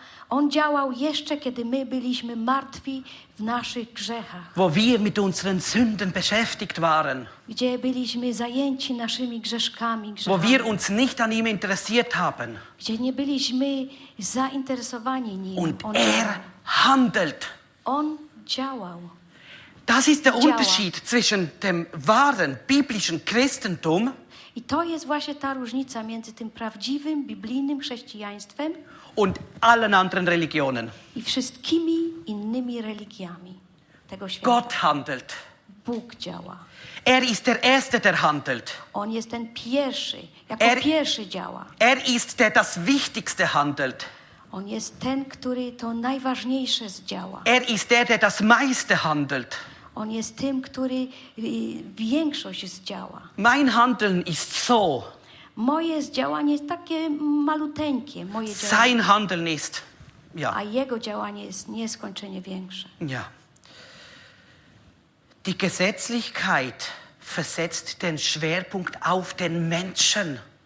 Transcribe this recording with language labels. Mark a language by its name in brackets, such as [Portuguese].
[Polish] On działał jeszcze, kiedy my byliśmy martwi w naszych grzechach. [German] Wo wir mit unseren Sünden beschäftigt waren. [Polish] Gdzie byliśmy zajęci naszymi grzeszkami. [German] Wo wir uns nicht an ihm interessiert haben. [Polish] Gdzie nie byliśmy zainteresowani nim. [German] Und on er handelt. [Polish] On działał. [German] Das ist der Unterschied zwischen dem wahren biblischen Christentum. [Polish] I to jest właśnie ta różnica między tym prawdziwym biblijnym chrześcijaństwem [German] und allen anderen Religionen. [Polish] I wszystkimi innymi religiami tego świata. [German] Gott handelt. [Polish] Bóg działa. [German] Er ist der Erste, der handelt. [Polish] On jest ten pierwszy, jako pierwszy działa. [German] Er ist der das Wichtigste handelt. [Polish] On jest ten, który to najważniejsze zdziała. [German] Er ist der, der das meiste handelt. [Polish] On jest tym, który większość zdziała. [German] Mein Handeln ist so. [Polish] Moje zdziałanie jest takie maluteńkie. Moje [German] Sein Handeln ist. Ja. [Polish] A jego działanie jest nieskończenie większe. [German] Ja. Die Gesetzlichkeit versetzt den Schwerpunkt auf den Menschen.